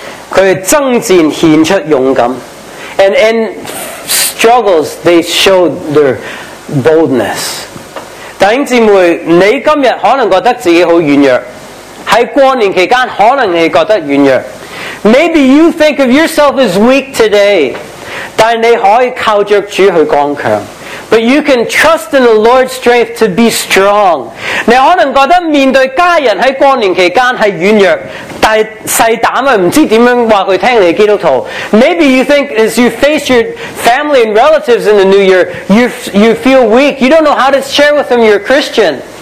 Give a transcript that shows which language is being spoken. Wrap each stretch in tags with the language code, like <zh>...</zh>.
<zh>他们征战献出勇敢。</zh> <en>And in struggles, they showed their boldness.</en> <zh>弟兄姊妹，你今天可能觉得自己很软弱。在过年期间，可能你觉得软弱。</zh> <en>Maybe you think of yourself as weak today,</en> <zh>但你可以靠着主去刚强。</zh> <en>But you can trust in the Lord's strength to be strong.</en> <zh>你可能觉得面对家人在过年期间是软弱， 但细胆不知道怎样告诉他们基督徒。</zh> <en>Maybe you think as you face your family and relatives in the new year, you feel weak. You don't know how to share with them you're a Christian.</en>